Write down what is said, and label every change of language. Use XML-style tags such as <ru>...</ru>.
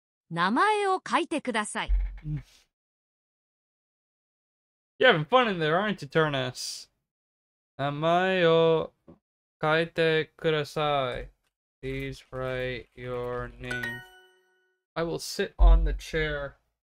<ja>名前を書いてください。</ja> <en>You're having fun in there, aren't you, Turnus?</en> <ja>名前を書いてください。</ja> <en>Please write your name. I will sit on the chair.</en>